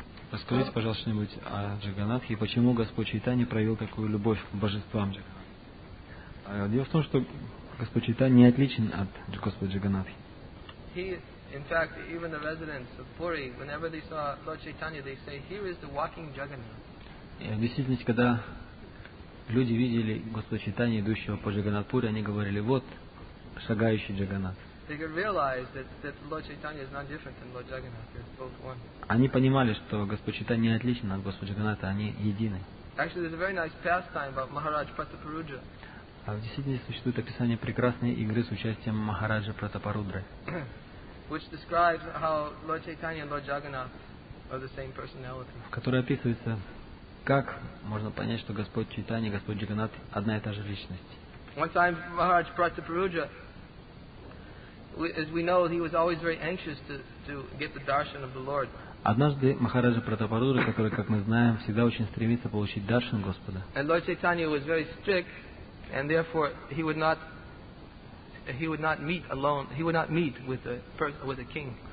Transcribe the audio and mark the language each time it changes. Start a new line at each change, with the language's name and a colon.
Russian: Расскажите, пожалуйста, что-нибудь о Джаганнатхе и почему Господь Чайтанья проявил такую любовь к божествам Джаганнатхи. Дело в том, что Господь Чайтанья не отличен от Господа Джаганнатхи.
English: In fact, even the residents of Puri, whenever they saw Lord Chaitanya, they say, "Here is the walking Jagannath."
Russian: В действительности, когда люди видели Господа Чайтанью, идущего по Джаганнатхпури, они говорили, вот шагающий Джаганнат.
English: They could realize that Lord Chaitanya is not different than Lord Jagannath. They're both one.
Russian: Они понимали, что Господь Чайтанья не отличен от Господа Джаганнатха, они едины.
English: Actually, there's a very nice pastime about Maharaj Pratapurudra.
Russian: В действительности существует описание прекрасной игры с участием Махараджа Пратапарудры.
English: Which describes how Lord Chaitanya and Lord Jagannath are the same personality.
Russian: В которой описывается, как можно понять, что Господь Чайтанья и Господь Джаганнат одна и та же личность.
English: One time, Maharaj Prataparudra, as we know, he was always very anxious to get the darshan of the Lord.
Russian: Однажды Махараджа Пратапарудра, который, как мы знаем, всегда очень стремится получить даршан Господа.
English: And Lord Chaitanya was very strict, and therefore he would not meet with a king.